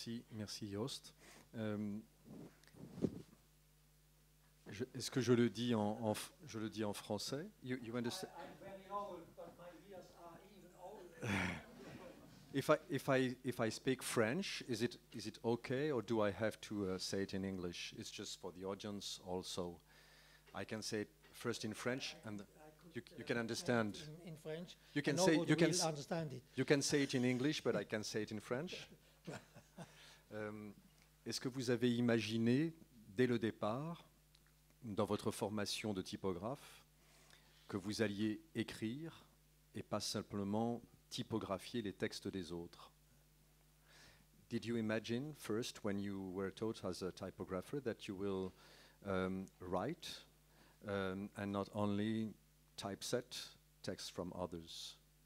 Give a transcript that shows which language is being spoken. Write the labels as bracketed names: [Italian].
[French] Merci Jost. Est-ce que je le dis en français? [English] You understand? I'm very old, but my ears are even older. If I speak French, is it okay, or do I have to say it in English? It's just for the audience also. I can say it first in French, and you can understand. In French, you can say you can understand it. You can say it in English, but I can say it in French. [French] Est-ce que vous avez imaginé dès le départ, dans votre formation de typographe, que vous alliez écrire et pas simplement typographier les textes des autres? [English] Did you imagine first, when you were taught as a typographer, that you will write and not only typeset texts from others?